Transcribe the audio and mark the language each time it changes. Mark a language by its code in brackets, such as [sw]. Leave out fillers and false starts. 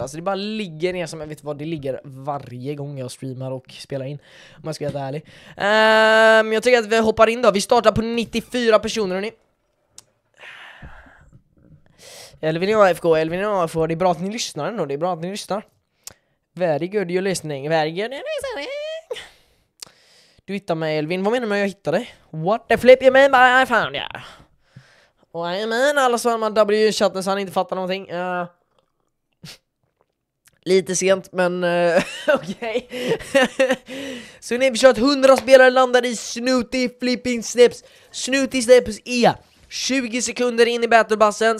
[sv] Alltså det bara ligger ner som jag vet vad. Det ligger varje gång jag streamar och spelar in, om jag ska vara ärlig. Jag tycker att vi hoppar in då. Vi startar på 94 personer nu. Elvin och AFK, Elvin och AFK. Det är bra att ni lyssnar ändå. Det är bra att ni lyssnar. [en] Very good you're listening. Very good you're listening. [sv] Du hittar mig, Elvin. Vad menar du med att jag hittade dig? [en] What the flip you mean by I found you? Oh, I mean, [sv] alla som har W i chatten så han inte fattar någonting. Lite sent, men okej. Så ni har kört 100 spelare landar i Snooty Flipping Snips. Snooty Snips är 20 sekunder in i battlebussen.